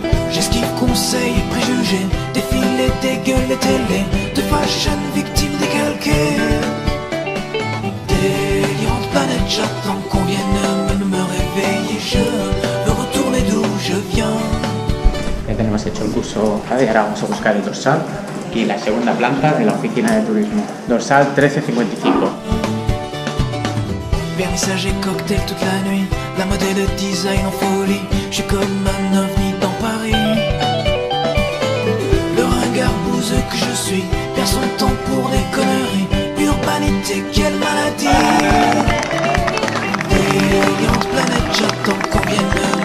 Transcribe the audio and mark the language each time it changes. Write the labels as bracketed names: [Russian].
[French] J'esquive conseils et préjugés, défilés des gueules et télé, de fashion victime décalquée. Délirante planète, j'attends qu'on vienne me réveiller, je veux retourner d'où je viens. [Spanish] Ya tenemos hecho el curso, y ahora vamos a buscar el dorsal. Y la segunda planta de la oficina de turismo. Dorsal 1355. [French] Vernissage et cocktail toute la nuit. La mode de design en folie. Je suis comme un ovni dans Paris. Le ringard bouseux que je suis. Perd son temps pour des conneries. Urbanité, quelle maladie. Délirante planète, j'attends qu'on vienne.